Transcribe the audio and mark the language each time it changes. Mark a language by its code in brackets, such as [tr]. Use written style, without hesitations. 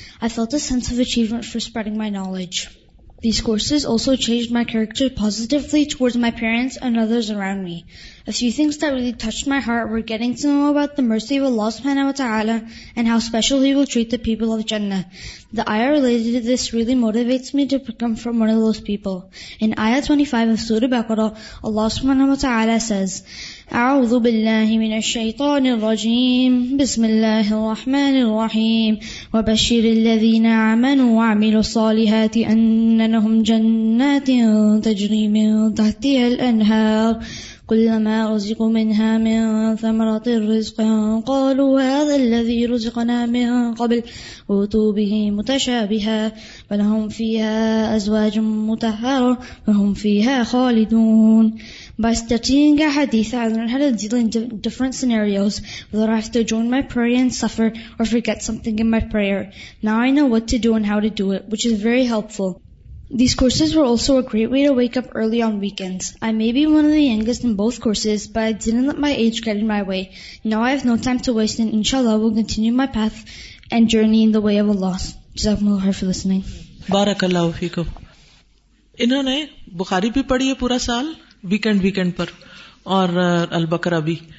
[en] I felt a sense of achievement for spreading my knowledge. These courses also changed my character positively towards my parents and others around me. A few things that really touched my heart were getting to know about the mercy of Allah subhanahu wa ta'ala and how special He will treat the people of Jannah. The ayah related to this really motivates me to become from one of those people. In ayah 25 of Surah Baqarah, Allah subhanahu wa ta'ala says, [ar] أعوذ بالله من الشيطان الرجيم بسم الله الرحمن الرحيم وبشر الذين آمنوا وعملوا الصالحات أن لهم جنات تجري من تحتها الأنهار كلما رزقوا منها من ثمرة رزقا قالوا هذا الذي رزقنا من قبل أوتوا به متشابها ولهم فيها أزواج مطهرة وهم فيها خالدون. [en] By studying a hadith, I learned how to deal in different scenarios, whether I have to join my prayer and suffer or forget something in my prayer. Now I know what to do and how to do it, which is very helpful. These courses were also a great way to wake up early on weekends. I may be one of the youngest in both courses, but I didn't let my age get in my way. Now I have no time to waste and inshallah will continue my path and journey in the way of Allah. Jazakumullah for listening. Barakallahu feekum. [ur] انہوں نے بخاری بھی پڑھی ہے پورا سال weekend weekend پر, اور البقرہ بھی.